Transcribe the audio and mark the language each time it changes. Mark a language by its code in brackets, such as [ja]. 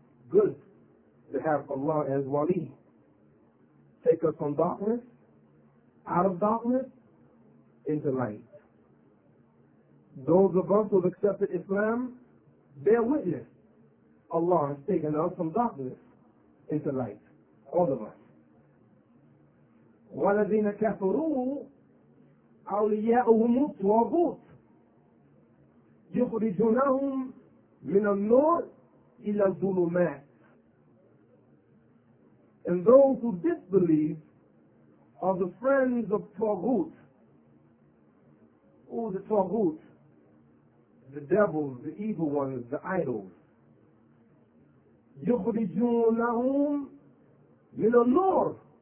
[en] Good to have Allah as wali. Take us from darkness, out of darkness, into light. Those of us who have accepted Islam, bear witness. Allah has taken us from darkness into light. All of us. [ar] وَالَذِينَ كَفَرُوا أولياؤهم الطاغوت يخرجونهم من النور إلى الظلمات. [en] And those who disbelieve are the friends of طاغوت. Who is the طاغوت? The devil, the evil ones, the idols. [ar] يخرجونهم من النور.